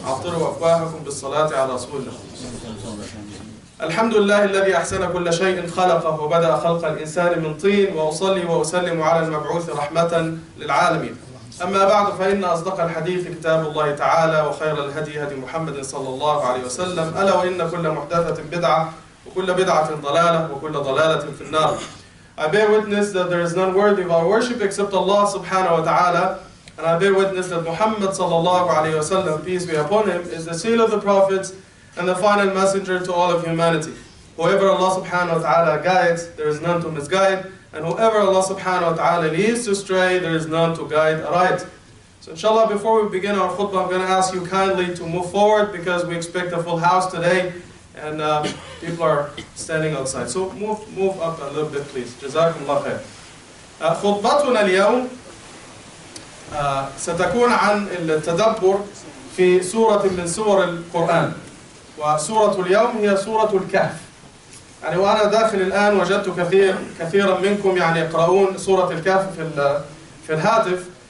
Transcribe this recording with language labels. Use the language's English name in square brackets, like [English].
[Arabic] عطروا أفواهكم بالصلاة على رسولنا. الحمد لله الذي أحسن كل شيء خلقه وبدأ خلق الإنسان من طين، وأصلي وأسلم على المبعوث رحمة للعالمين. أما بعد، فإن أصدق الحديث كتاب الله تعالى، وخير الهدي هدي محمد صلى الله عليه وسلم، ألا وإن كل محدثة بدعة، وكل بدعة ضلالة، وكل ضلالة في النار. [English] I bear witness that there is none worthy of our worship except Allah subhanahu wa ta'ala. And I bear witness that Muhammad sallallahu alayhi wa sallam, peace be upon him, is the seal of the prophets and the final messenger to all of humanity. Whoever Allah subhanahu wa ta'ala guides, there is none to misguide. And whoever Allah subhanahu wa ta'ala leads to stray, there is none to guide aright. So inshallah, before we begin our khutbah, I'm going to ask you kindly to move forward because we expect a full house today. And people are standing outside. So move up a little bit, please. [Arabic] جزاكم الله خير. خطبتنا اليوم ستكون عن التدبر في سورة من سور القرآن. وسورة اليوم هي سورة الكهف. يعني وأنا داخل الآن وجدت كثيرا منكم يعني يقرؤون سورة الكهف في الهاتف.